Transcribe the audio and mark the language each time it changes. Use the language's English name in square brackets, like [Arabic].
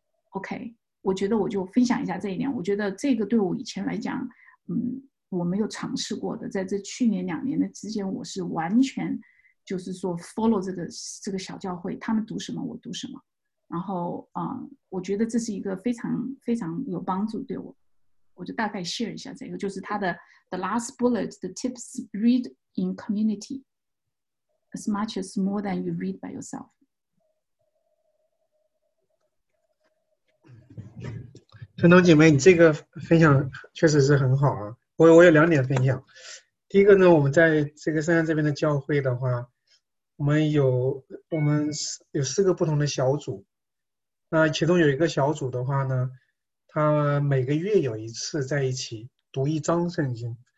[Chinese] OK， 我觉得我就分享一下这一点，我觉得这个对我以前来讲，我没有尝试过的，在这去年两年的之间，我是完全就是说 follow 这个小教会，他们读什么我读什么，然后我觉得这是一个非常非常有帮助对我。我就大概 share 一下这个，就是他的 [English] The last bullet, the tips read in community as much as more than you read by yourself。 [Chinese] 春冬姐妹，你这个分享确实是很好啊。我有两点分享。第一个呢，我们在这个圣山这边的教会的话，我们有四个不同的小组。那其中有一个小组的话呢，他每个月有一次在一起读一章圣经。